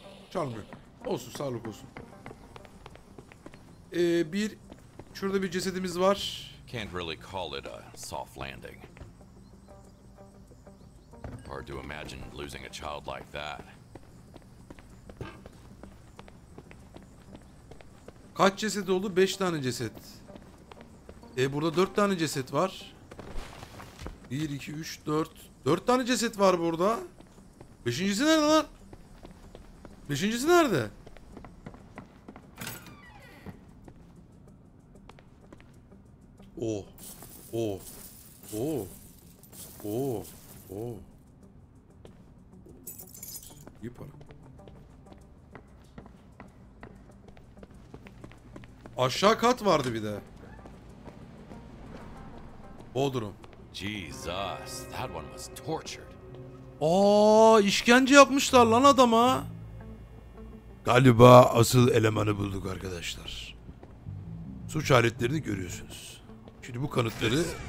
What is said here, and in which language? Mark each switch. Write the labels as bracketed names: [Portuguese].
[Turkish] Çalmıyor. Olsun, sağlık olsun. Bir şurada bir cesedimiz var. [English] Can't really call it a soft landing. Hard to imagine losing a child like that. [Turkish] Kaç ceset oldu? 5 tane ceset. Burada 4 tane ceset var. 1 2 3 4. 4 tane ceset var burada. 5.'si nerede lan? 5.'si nerede? O. O. O. O. O. İyi para. Aşağı kat vardı bir de. Bodrum. [English] Jesus, that one was tortured. [Turkish] Aa, işkence yapmışlar lan adama. Galiba asıl elemanı bulduk arkadaşlar. Suç aletlerini görüyorsunuz. Şimdi bu kanıtları...